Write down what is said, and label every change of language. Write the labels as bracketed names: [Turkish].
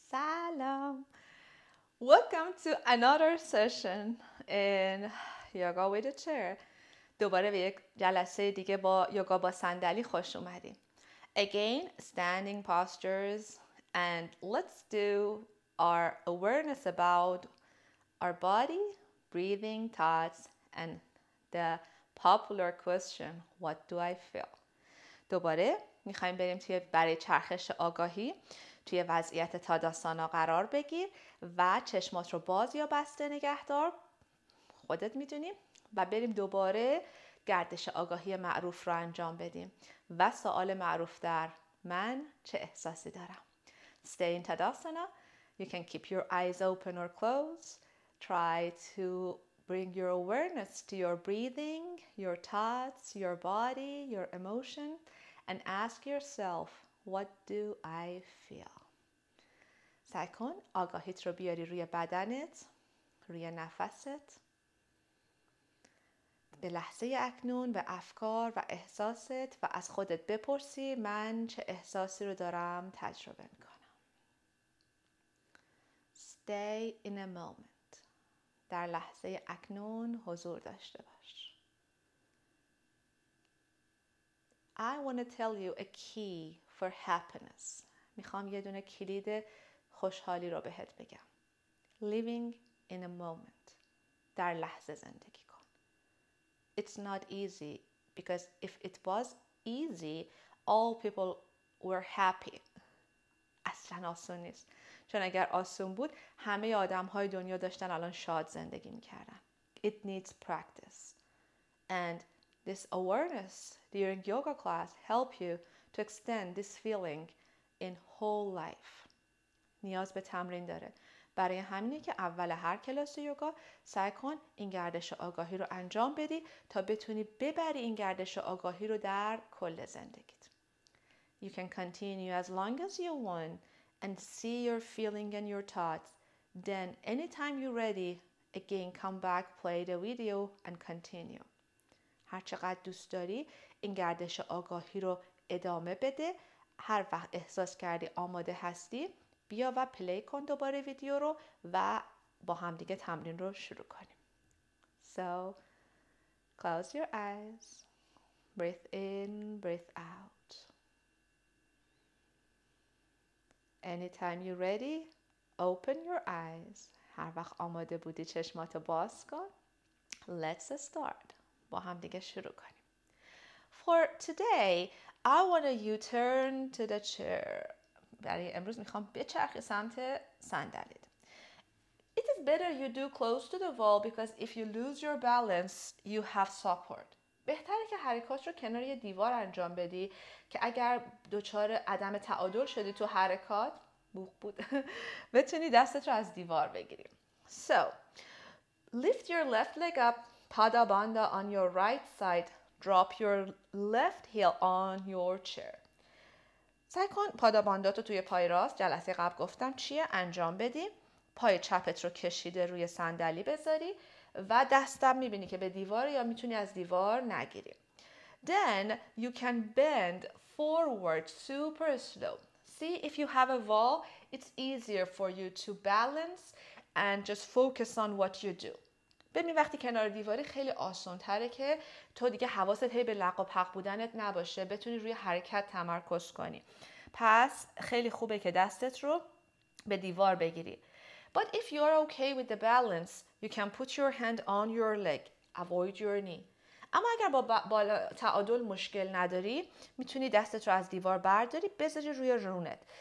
[English] Welcome to another session in Yoga with a Chair. [Persian] دوباره به یک جلسه دیگه با یوگا با صندلی خوش اومدیم. [English] Again, standing postures, and let's do our awareness about our body, breathing, thoughts, and the popular question, what do I feel? [Persian] دوباره میخواییم بریم توی برای چرخش آگاهی، توی وضعیت تاداسانا قرار بگیر و چشمات رو باز یا بسته نگه دار، خودت میدونی، و بریم دوباره گردش آگاهی معروف رو انجام بدیم و سوال معروف در من چه احساسی دارم. [English] Stay in tadasana. You can keep your eyes open or closed. Try to bring your awareness to your breathing, your thoughts, your body, your emotion, and ask yourself, what do I feel? [Persian] سعی کن آگاهیت رو بیاری روی بدنت، روی نفست، به لحظه اکنون، به افکار و احساست و از خودت بپرسی من چه احساسی رو دارم تجربه میکنم. [English] Stay in a moment. [Persian] در لحظه اکنون حضور داشته باش. [English] I want to tell you a key for happiness. [Persian] میخوام یه دونه کلید خوشحالی رو بهت بگم. [English] Living in a moment. [Persian] در لحظه زندگی کن. [English] It's not easy, because if it was easy, all people were happy. [Persian] اصلا آسون نیست. چون اگر آسون بود، همه آدم‌های دنیا داشتن الان شاد زندگی می‌کردن. [English] It needs practice. And this awareness during yoga class help you to extend this feeling in whole life. [Persian] نیاز به تمرین داره. برای همینه که اول هر کلاس یوگا سعی کن این گردش آگاهی رو انجام بدی تا بتونی ببری این گردش آگاهی رو در کل زندگیت. [English] You can continue as long as you want and see your feeling and your thoughts. Then anytime you're ready, again come back, play the video and continue. [Persian] هر چقدر دوست داری این گردش آگاهی رو ادامه بده، هر وقت احساس کردی آماده هستی، بیا و پلی کن دوباره ویدیو رو و با هم دیگه تمرین رو شروع کنیم. [English] So, close your eyes. Breathe in, breathe out. Anytime you're ready, open your eyes. [Persian] هر وقت آماده بودی چشماتو باز کن. [English] Let's start. [Persian] با هم دیگه شروع کنیم. [English] For today, I want you turn to the chair. [Persian] برای امروز میخوام بچرخی سمت صندلیت. [English] It is better you do close to the wall because if you lose your balance, you have support. [Persian] بهتره که حرکات رو کنار یه دیوار انجام بدی که اگر دچار عدم تعادل شدی تو حرکات، بوخ بود، بتونی دستت رو از دیوار بگیری. [English] So, lift your left leg up, Padabandha on your right side. Drop your left heel on your chair. [Persian] سعی کن پادابانداتو توی پای راست، جلسه قبل گفتم چیه، انجام بدی. پای چپت رو کشیده روی صندلی بذاری و دستم میبینی که به دیوار یا میتونی از دیوار نگیری. [English] Then you can bend forward super slow. See if you have a wall, it's easier for you to balance and just focus on what you do. [Persian] ببین وقتی کنار دیواری خیلی آسان‌تره که تو دیگه حواست هی به لق و پق بودنت نباشه، بتونی روی حرکت تمرکز کنی. پس خیلی خوبه که دستت رو به دیوار بگیری. [English] But if you are okay with the balance, you can put your hand on your leg. Avoid your knee. [Persian] اما اگر با تعادل مشکل نداری، میتونی دستت رو از دیوار برداری، بذاری روی رونت.